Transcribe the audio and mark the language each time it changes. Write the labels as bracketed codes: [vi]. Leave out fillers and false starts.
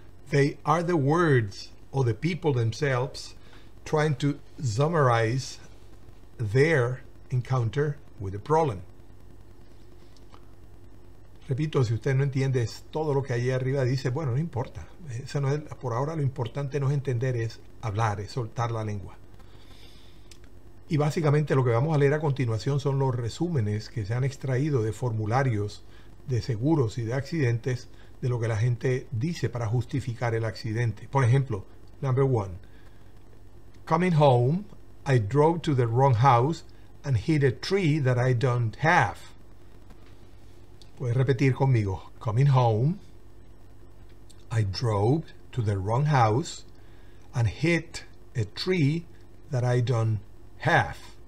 [en] They are the words of the people themselves trying to summarize their encounter with a problem. [es] Repito, si usted no entiende todo lo que allí arriba dice, bueno, no importa. Eso no es, por ahora lo importante no es entender, es hablar, es soltar la lengua. Y básicamente lo que vamos a leer a continuación son los resúmenes que se han extraído de formularios de seguros y de accidentes de lo que la gente dice para justificar el accidente. Por ejemplo, [en] number one. Coming home, I drove to the wrong house and hit a tree that I don't have. [es] Puedes repetir conmigo. [en] Coming home, I drove to the wrong house and hit a tree that I don't have.